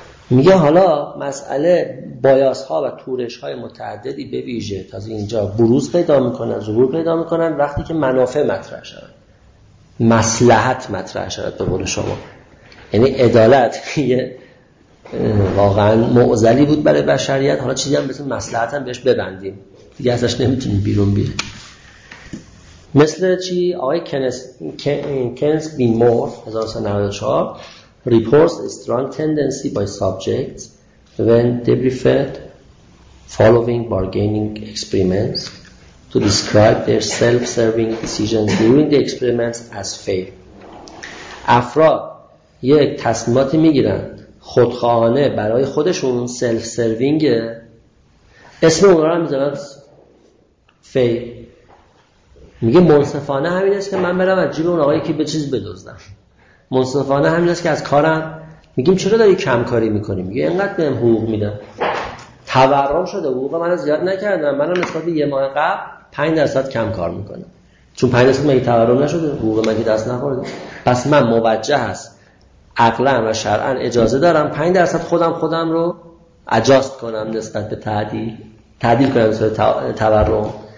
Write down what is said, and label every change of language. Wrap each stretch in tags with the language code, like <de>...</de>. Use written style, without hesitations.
<fa>میگه حالا مسئله بایاس ها و تورش های متعددی به ویژه تازه اینجا بروز پیدا میکنن، ظهور پیدا میکنن وقتی که منافع مطرح شدن، مصلحت مطرح شدن. به قول شما یعنی عدالت یه واقعا معضلی بود برای بشریت، حالا چیزی هم مثل مصلحت هم بهش ببندیم دیگه ازش نمیتونیم بیرون بیه. مثل چی؟ آقای کنس بی مور</fa> <en>1994 reports a strong tendency by subjects when they preferred following bargaining experiments to describe their self-serving decisions during the experiments as fail.</en> <fa>افراد یک تصمیمات میگیرن خودخواهانه برای خودشون self-serving، اسم اون رو هم میزنن fail. میگه منصفانه همین است که من برم از جیب اون آقایی که به چیز بدزدم، منصفانه همین است که از کارم میگیم چرا داری کم کاری میکنی، میگه اینقدر بهم حقوق میدن تورم شده، حقوق من زیاد نکردم، من هم نسبت یه ماه قبل 5% کم کار میکنم، چون 5% مگه تورم نشده، حقوق مگه دست نخورده، پس من موجه هست عقلا و شرعا اجازه دارم 5% خودم رو اجاست کنم نسبت به تعدیل کنم نسبت به تورم.</fa>